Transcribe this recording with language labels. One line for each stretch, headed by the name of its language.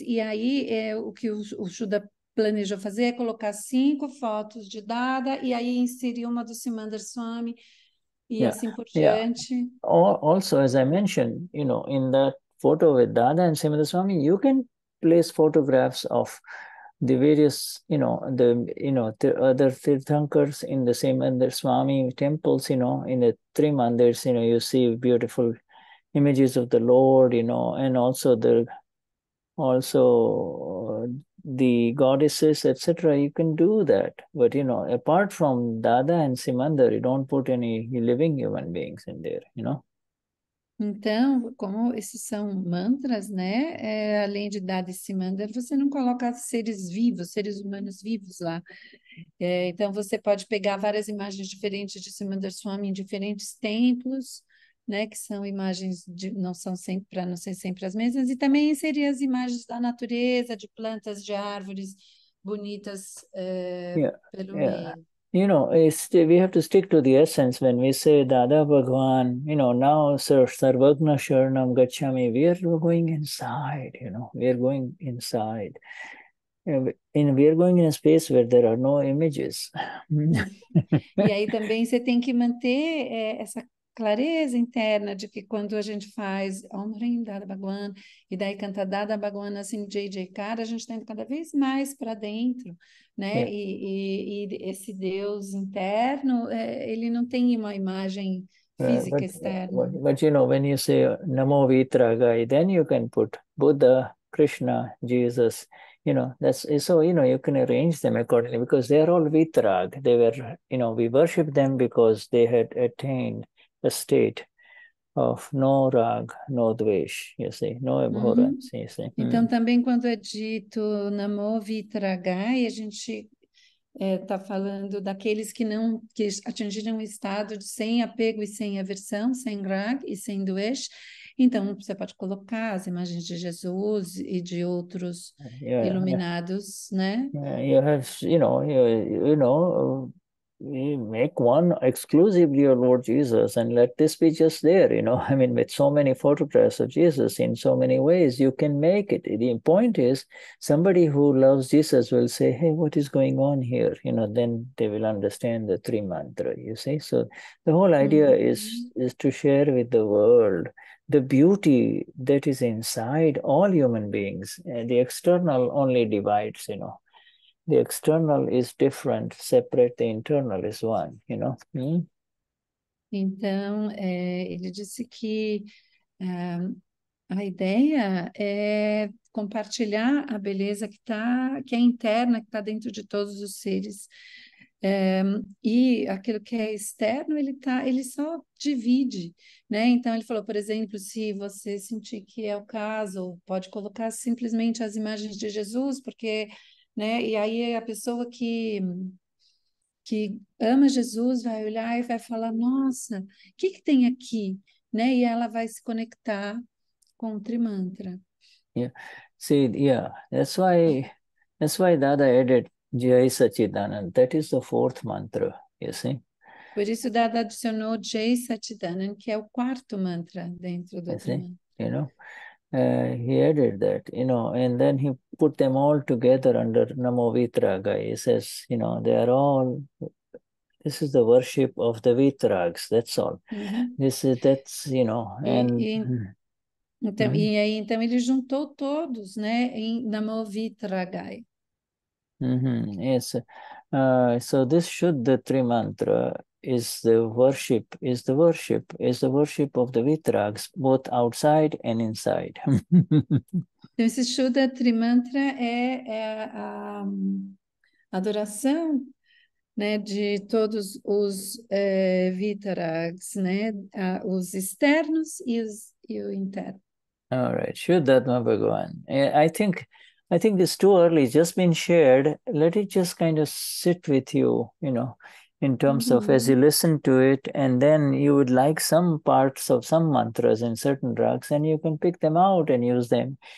Portuguese: E aí, o que o Shuddha planejou fazer é colocar 5 fotos de Dada e aí inserir uma do Simandar Swami e assim por diante.
English: Also, as I mentioned, you know, in that photo with Dada and Simandar Swami, you can place photographs of the various, you know, the other Tirthankars in the Simandar Swami temples, you know, in the 3 mandirs, you know, you see beautiful images of the Lord, you know, and also the goddesses, etc. You can do that. But, you know, apart from Dada and Simandar, you don't put any living human beings in there, you know.
Portuguese: Então, como esses são mantras, né? Além de dar esse mantra, você não coloca seres vivos, seres humanos vivos lá. Então, você pode pegar várias imagens diferentes de Simandar Swami em diferentes templos, né? Que são imagens de, não são sempre, para não ser sempre as mesmas, e também inserir as imagens da natureza, de plantas, de árvores bonitas pelo meio.
English: You know, we have to stick to the essence when we say Dada Bhagwan, you know, now Sir Sarvagna Sharanam Gachami, we're going inside, you know, we're going inside. And we're going in a space where there are no images.
Portuguese: E aí também você tem que manter essa clareza interna de que quando a gente faz Om Rim Dada Bhagwan, e daí canta Dada Bhagwan assim, JJ Kara, a gente tá indo cada vez mais para dentro. Né? Yeah. E esse Deus interno, ele não tem uma imagem física externa.
English: But you know, when you say Namo Vitaragai, then you can put Buddha, Krishna, Jesus, you know, that's so, you know, you can arrange them accordingly because they are all Vitarag. They were, you know, we worship them because they had attained a state of no raag, no dvesh, you see, no abhorrence, uh-huh. You see.
Portuguese: Então, também quando é dito namo vitragai, a gente está falando daqueles que não, que atingiram um estado de sem apego e sem aversão, sem raag e sem dvesh. Então, você pode colocar as imagens de Jesus e de outros iluminados, né?
English: You have, you know, you make one exclusively your Lord Jesus and let this be just there, you know. I mean, with so many photographs of Jesus in so many ways, you can make it. The point is, somebody who loves Jesus will say, hey, what is going on here? You know, then they will understand the three mantra, you see. So the whole idea is to share with the world the beauty that is inside all human beings. The external only divides, you know. The external is different, separate, the internal is one, you know.
Portuguese: Então, ele disse que a ideia é compartilhar a beleza que é interna, que está dentro de todos os seres. E aquilo que é externo, ele só divide, né? Então, ele falou, por exemplo, se você sentir que é o caso, pode colocar simplesmente as imagens de Jesus, porque... Né? E aí a pessoa que ama Jesus vai olhar e vai falar, nossa, o que tem aqui? Né? E ela vai se conectar com o Trimantra.
English: Yeah. See, yeah. That's why Dada added Jai Satchidanand. That is the fourth mantra, you see?
Portuguese: Por isso Dada adicionou Jai Satchidanand, que é o quarto mantra dentro do Trimantra.
English: You know? He added that, you know, and then he put them all together under Namo Vitraga. He says, you know, they are all, this is the worship of the Vitrags, that's all. Uh-huh. This is, that's, you know, and...
Portuguese: Então, ele juntou todos, né, em Namo Vitraga. Uh-huh. Yes.
English: So this Shuddha Trimantra is the worship of the Vitrags, both outside and inside.
Portuguese: Então, esse Shuddha Trimantra é a adoração, né, de todos os Vitrags, né, os externos e o interno.
English: All right, Shuddha Bhagavan. I think it's too early, just been shared. Let it just kind of sit with you, you know, in terms of as you listen to it, and then you would like some parts of some mantras in certain raags, and you can pick them out and use them.